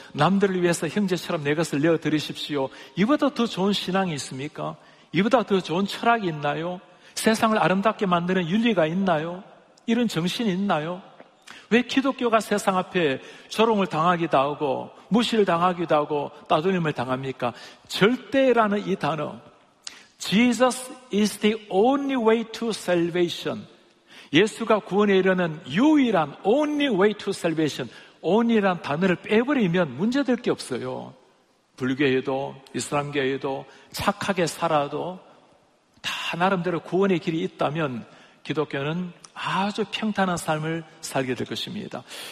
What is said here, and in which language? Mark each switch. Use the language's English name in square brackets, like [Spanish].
[Korean] 남들을 위해서 형제처럼 내 것을 내어드리십시오. 이보다 더 좋은 신앙이 있습니까? 이보다 더 좋은 철학이 있나요? 세상을 아름답게 만드는 윤리가 있나요? 이런 정신이 있나요? 왜 기독교가 세상 앞에 조롱을 당하기도 하고 무시를 당하기도 하고 따돌림을 당합니까? 절대라는 이 단어, [English] Jesus is the only way to salvation. [Korean] 예수가 구원에 이르는 유일한 [English] only way to salvation. [Korean] only란 단어를 빼버리면 문제될 게 없어요. 불교에도 이슬람교에도 착하게 살아도 다 나름대로 구원의 길이 있다면 기독교는 아주 평탄한 삶을 살게 될 것입니다.